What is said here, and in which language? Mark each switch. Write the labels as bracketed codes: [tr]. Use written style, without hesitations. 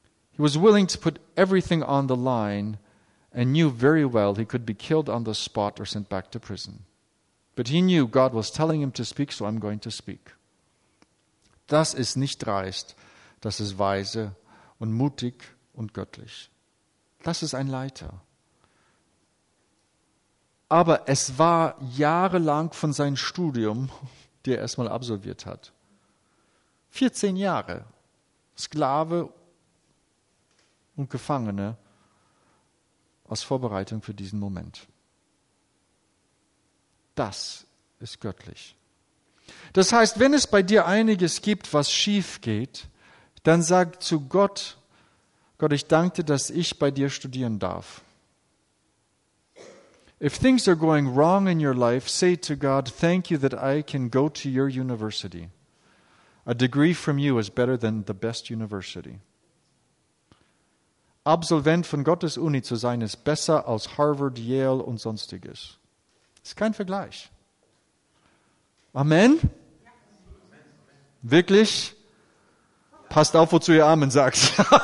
[en] He was willing to put everything on the line and knew very well he could be killed on the spot or sent back to prison. But he knew God was telling him to speak, so I'm going to speak. [de] Das ist nicht dreist, das ist weise und mutig und göttlich. Das ist ein Leiter. Aber es war jahrelang von seinem Studium, die er erstmal absolviert hat. 14 Jahre Sklave und Gefangene aus Vorbereitung für diesen Moment. Das ist göttlich. Das heißt, wenn es bei dir einiges gibt, was schief geht, dann sag zu Gott, Gott, ich danke dir, dass ich bei dir studieren darf. [en] If things are going wrong in your life, say to God, thank you that I can go to your university. A degree from you is better than the best university. [de] Absolvent von Gottes Uni zu sein, ist besser als Harvard, Yale und sonstiges. Ist kein Vergleich. Amen? Wirklich? Passt auf, wozu ihr Amen sagt.